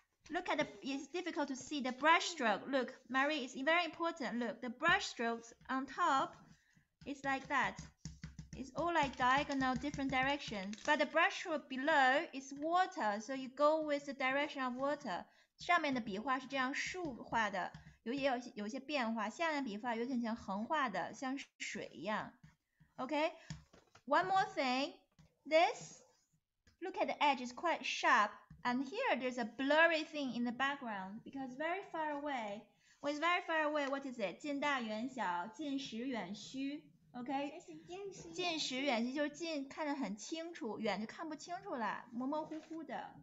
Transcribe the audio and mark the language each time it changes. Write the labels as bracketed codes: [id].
[en] Look at the, it's difficult to see the brush stroke. Look, Marie, it's very important. Look, the brush strokes on top is like that. It's all like diagonal different directions. But the brush stroke below is water. So you go with the direction of water. [zh] 上面的笔画是这样竖画的, 有些变化, 下面的笔画有点像横画的, 像水一样。 [en] Okay, one more thing. This, look at the edge, it's quite sharp. And here, there's a blurry thing in the background because very far away. When it's very far away, what is it? [zh] 近大远小，近实远虚.Okay. 近实远虚就是近看得很清楚，远就看不清楚了，模模糊糊的.